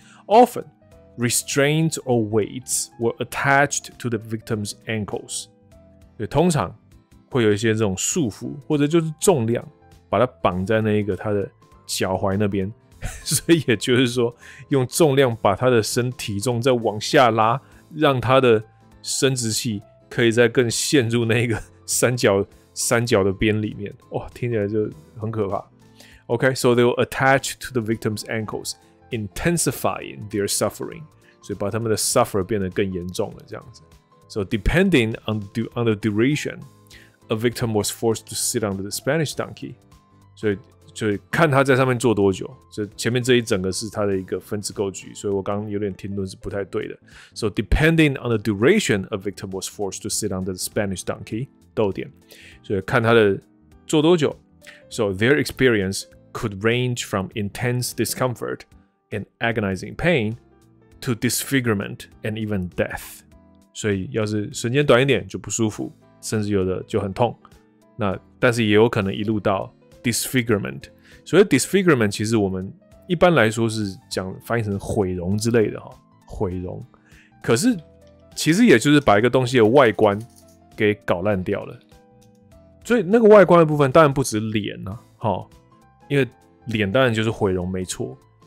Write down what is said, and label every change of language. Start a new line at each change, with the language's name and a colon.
English: Often, restraints or weights were attached to the victim's ankles。
Chinese: 对，通常会有一些这种束缚或者就是重量，把它绑在那一个他的脚踝那边，所以也就是说，用重量把他的身体重再往下拉，让他的生殖器可以再更陷入那个三角的边里面，哇，听起来就很可怕。
English: OK, so they were attached to the victim's ankles, intensifying their suffering.
Chinese: 所以把他们的 suffer 变得更严重了，这样子。
English: So depending on the duration, a victim was forced to sit on the Spanish donkey.
Chinese: 所以看他在上面坐多久。所以前面这一整个是他的一个分支构句，所以我刚刚有点停顿是不太对的。
English: So depending on the duration, a victim was forced to sit on the Spanish donkey.
Chinese: 逗点，所以看他的坐多久。
English: So their experience could range from intense discomfort and agonizing pain to disfigurement and even death.
Chinese: 所以要是时间短一点就不舒服，甚至有的就很痛。那但是也有可能一路到 disfigurement。所以 disfigurement 其实我们一般来说是讲翻译成毁容之类的哈，毁容。可是其实也就是把一个东西的外观给搞烂掉了，所以那个外观的部分当然不止脸啊，齁，因为脸当然就是毁容没错。